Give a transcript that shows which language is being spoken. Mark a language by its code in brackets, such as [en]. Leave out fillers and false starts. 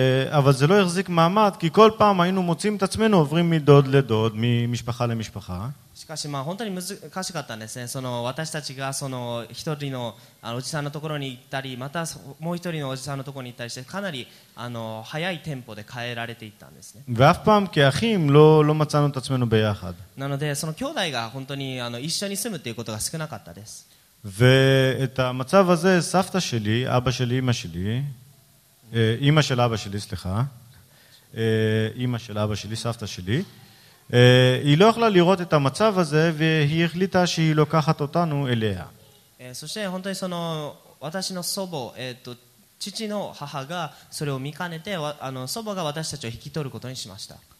[he] אבל זה לא החזיק מעמד, כי כל פעם היינו מוצאים את עצמנו עוברים מדוד לדוד, ממשפחה למשפחה. [ja] しかしまあ本当に難しかったんですね。その私たちがその一人のおじさんのところに行ったり、またもう一人のおじさんのところに行ったりして、かなりあの早いテンポで変えられていったんですね。 [he] ואף פעם כאחים לא מצאנו את עצמנו ביחד. [ja] なのでその兄弟が本当にあの一緒に住むということが少なかったです。 [he] ואת המצב הזה סבתא שלי, אבא שלי, אמא שלי, אמא של אבא שלי, סליחה, אמא של אבא שלי, סבתא שלי, היא לא יכלה לראות את המצב הזה, והיא החליטה שהיא לוקחת אותנו אליה. [ja] そして本当にその私の祖母、父の母がそれを見かねて、あの祖母が私たちを引き取ることにしました。